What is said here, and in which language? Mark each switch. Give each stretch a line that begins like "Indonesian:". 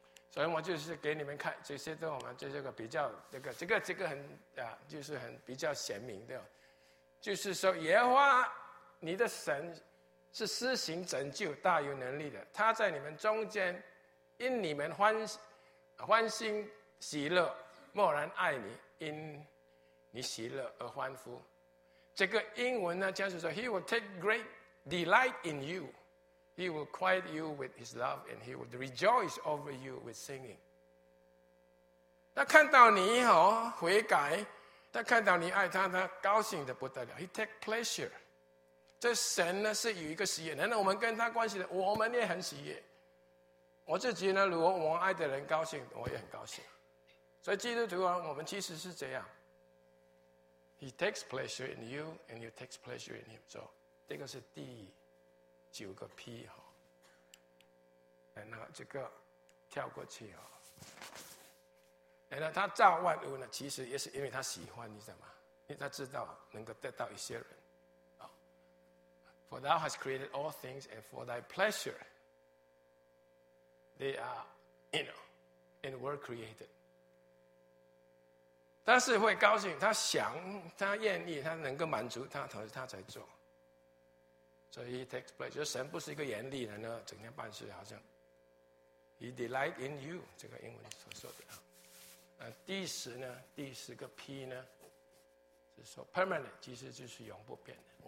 Chinese: 所以我就是给你们看这些都我们这个比较这个很就是很比较鲜明的，就是说耶和华你的神是施行拯救大有能力的，他在你们中间因你们欢心喜乐默然爱你，因你喜乐而欢呼。
English: 这个英文呢就是说 He will take great delight in you， He will quiet you with his love， and he will rejoice over you with singing。
Chinese: 他看到你悔改，他看到你爱他，他高兴得不得了。
English: He take pleasure，
Chinese: 这神呢是有一个喜悦，然后我们跟他关系的我们也很喜悦。我自己呢如果我爱的人高兴我也很高兴。所以基督徒啊，我们其实是这样，
English: He takes pleasure in you and you take pleasure in him。
Chinese: So这个是第九个 P， 然后这个跳过去，然后他造万物呢其实也是因为他喜欢，你知道吗？因为他知道能够得到一些人。
English: For thou hast created all things and for thy pleasure they are you know and were created。
Chinese: 他是会高兴，他想，他愿意，他能够满足他，同时他才做。所以
English: he takes pleasure，
Chinese: 神不是一个严厉人呢，整天办事好像。
English: He delight in you，
Chinese: 这个英文所说的。第十呢，第十个 P 呢，是说 permanent， 其实就是永不变的。